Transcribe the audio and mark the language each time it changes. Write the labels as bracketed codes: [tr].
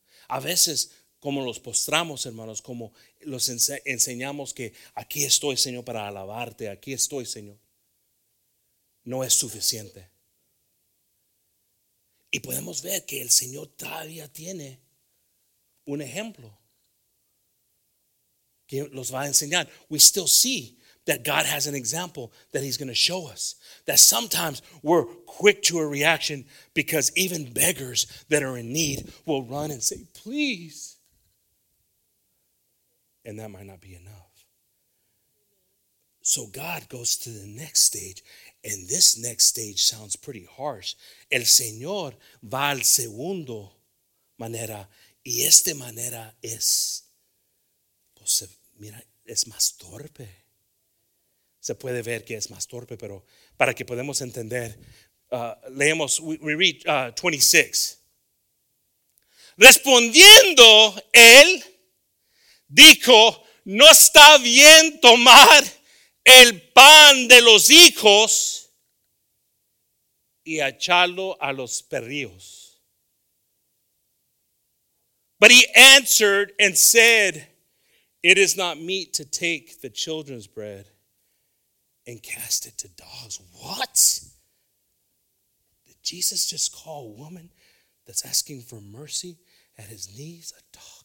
[es] A veces, como los postramos, hermanos, como los enseñamos que aquí estoy, Señor, para alabarte, aquí estoy, Señor. No es suficiente. Y podemos ver que el Señor todavía tiene un ejemplo que los va a enseñar. [en] We still see that God has an example that he's going to show us. That sometimes we're quick to a reaction because even beggars that are in need will run and say, please. And that might not be enough. So God goes to the next stage. And this next stage sounds pretty harsh. [es] El Señor va al segundo manera. Y esta manera es, pues, mira, es más torpe. Se puede ver que es más torpe, pero para que podamos entender, leemos, [en] we read 26. [es] Respondiendo él, dijo, no está bien tomar el pan de los hijos y echarlo a los perrillos. [en] But he answered and said, it is not meet to take the children's bread and cast it to dogs. What? Did Jesus just call a woman that's asking for mercy at his knees a dog?